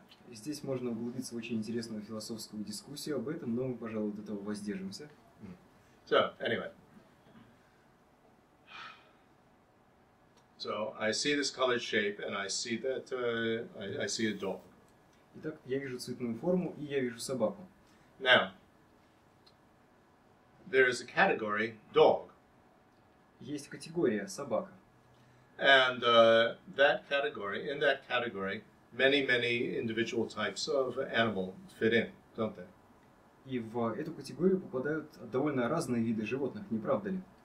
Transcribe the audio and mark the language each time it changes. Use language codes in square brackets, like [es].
[ru] Здесь можно углубиться в очень интересную философскую дискуссию об этом, но мы, пожалуй, от этого воздержимся. [en] So, anyway. So, I see this colored shape, and I see that I see a dog. [ru] Итак, я вижу цветную форму, и я вижу собаку. [en] Now, there is a category, dog. [ru] Есть категория собака. [en] And in that category, many, many individual types of animal fit in, don't they? [ru] И в эту категорию попадают довольно разные виды животных, не правда ли?